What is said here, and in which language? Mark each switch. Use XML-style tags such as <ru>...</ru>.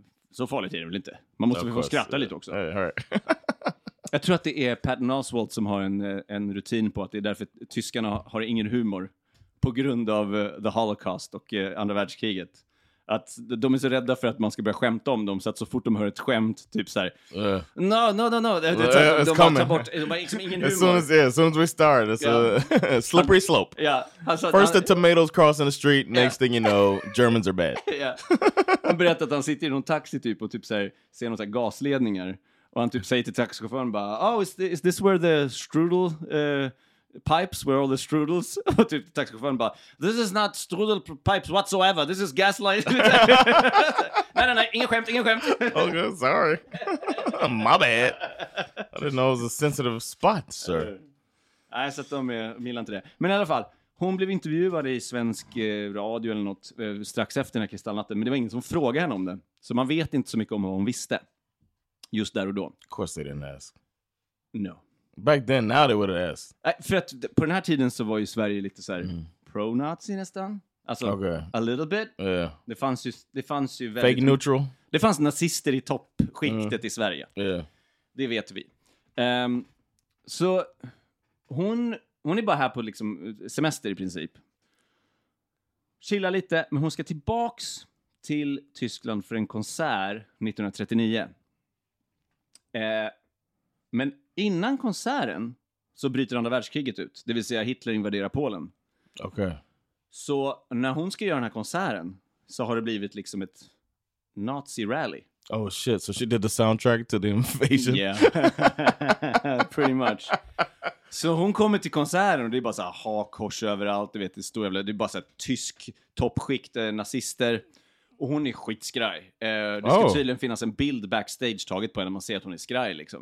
<sv>Så farligt är det väl inte. Man måste få skratta lite också. Jag tror att det är Patton Oswalt som har en rutin på att det är därför tyskarna har ingen humor. På grund av the Holocaust och andra världskriget. att de är så rädda för att man ska börja skämta om dem, så att så fort de hör ett skämt typ så här, no,</sv> <en>it's de coming.</en> <sv>Bort, de har liksom ingen humor.</sv> <en>As soon as we start, it's a slippery slope. First, the tomatoes cross in the street. Next thing you know, Germans are bad.</en> <sv>Han berättar att han sitter i någon taxi typ och typ så här, ser någon så här gasledningar och han typ säger till taxichauffören bara,</sv> <en>is this where the strudel pipes, where all the strudels,</en> <sv>typ taxichauffören bara,</sv> <en>this is not strudel pipes whatsoever, this is gaslight.</en> <sv>Nej, ingen skämt.</sv> <en>Okay, sorry. My bad. I didn't know it was a sensitive spot, sir.</en> <sv>Nej, så att de gillar inte det. Men i alla fall, hon blev intervjuad i svensk radio eller något strax efter den här kristallnatten, men det var ingen som frågade henne om det. Så man vet inte så mycket om vad hon visste just där och då.</sv> <en>Of course they didn't ask. No. Back then, now they would have asked.</en> <sv>För att på den här tiden så var ju Sverige lite så här pro-nazi nästan.</sv> <en>Alltså, a little bit. Yeah.</en> <sv>Det fanns ju</sv> <en>väldigt... Fake neutral.</en> <sv>Det fanns nazister i toppskiktet i Sverige.</sv> <en>Yeah.</en> <sv>Det vet vi. Så hon är bara här på liksom semester i princip. Chilla lite, men hon ska tillbaks till Tyskland för en konsert 1939. Men innan konserten så bryter andra världskriget ut. Det vill säga Hitler invaderar Polen. Okej.</sv> <en>Okay.</en> <sv>Så när hon ska göra den här konserten så har det blivit liksom ett Nazi rally.</sv> <en>Oh shit, so she did the soundtrack to the invasion? Yeah, pretty much.</en> <sv>Så hon kommer till konserten och det är bara så här hakkors överallt. Du vet, det står jävla, det är bara så här tysk toppskikt, nazister. Och hon är skitskraj. Det ska tydligen finnas en bild backstage taget på henne när man ser att hon är skraj liksom.</sv>